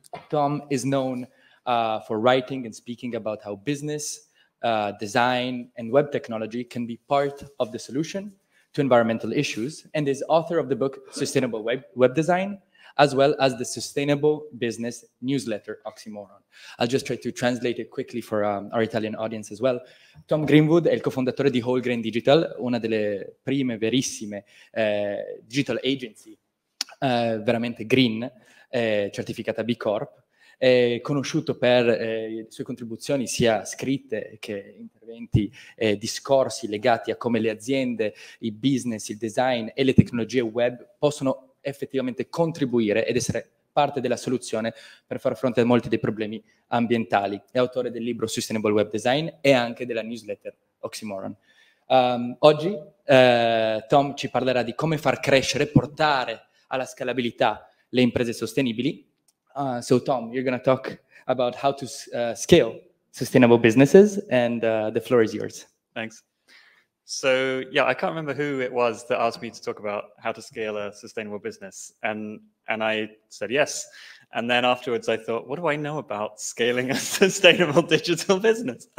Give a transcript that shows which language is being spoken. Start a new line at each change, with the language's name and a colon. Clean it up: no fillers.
English: Tom is known for writing and speaking about how business, design, and web technology can be part of the solution to environmental issues, and is author of the book Sustainable Web Design, as well as the Sustainable Business Newsletter, Oxymoron. I'll just try to translate it quickly for our Italian audience as well.
Italian: Tom Greenwood è il cofondatore di Wholegrain Digital, una delle prime verissime digital agency, veramente green, certificata B Corp. È conosciuto per le sue contribuzioni sia scritte che interventi e discorsi legati a come le aziende, i business, il design e le tecnologie web possono effettivamente contribuire ed essere parte della soluzione per far fronte a molti dei problemi ambientali. È autore del libro Sustainable Web Design e anche della newsletter Oxymoron. Oggi Tom ci parlerà di come far crescere, portare alla scalabilità le imprese sostenibili.
English: So Tom, you're going to talk about how to scale sustainable businesses, and the floor is yours. Thanks. So, yeah, I can't remember who it was that asked me to talk about how to scale a sustainable business. And I said yes. And then afterwards, I thought, what do I know about scaling a sustainable digital business?